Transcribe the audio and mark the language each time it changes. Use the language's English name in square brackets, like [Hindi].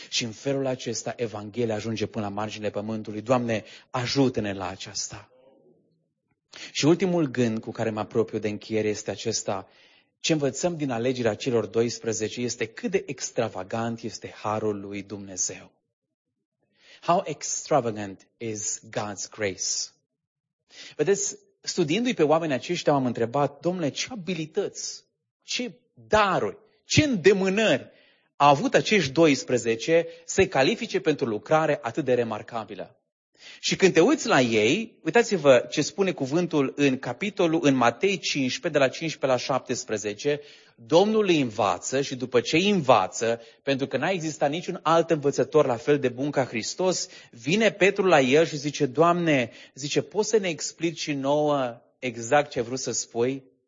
[Romanian] Și în felul acesta, Evanghelia ajunge până la marginile pământului. Doamne, ajută-ne la aceasta. Și ultimul gând cu care mă apropiu de încheiere este acesta. Ce învățăm din alegerea celor 12 este cât de extravagant este harul lui Dumnezeu. [English] How extravagant is God's grace? [Romanian] Vedeți? Studiindu-i pe oamenii aceștia, m-am întrebat, domnule, ce abilități, ce daruri, ce îndemânări a avut acești 12 să-i califice pentru lucrare atât de remarcabilă. Și când te uiți la ei, uitați-vă ce spune cuvântul în capitolul, în Matei 15, de la 15 la 17, Domnul îi învață și după ce îi învață, pentru că n-a existat niciun alt învățător la fel de bun ca Hristos, vine Petru la el și zice, Doamne, zice, poți să ne explici și nouă exact ce vrut să spui?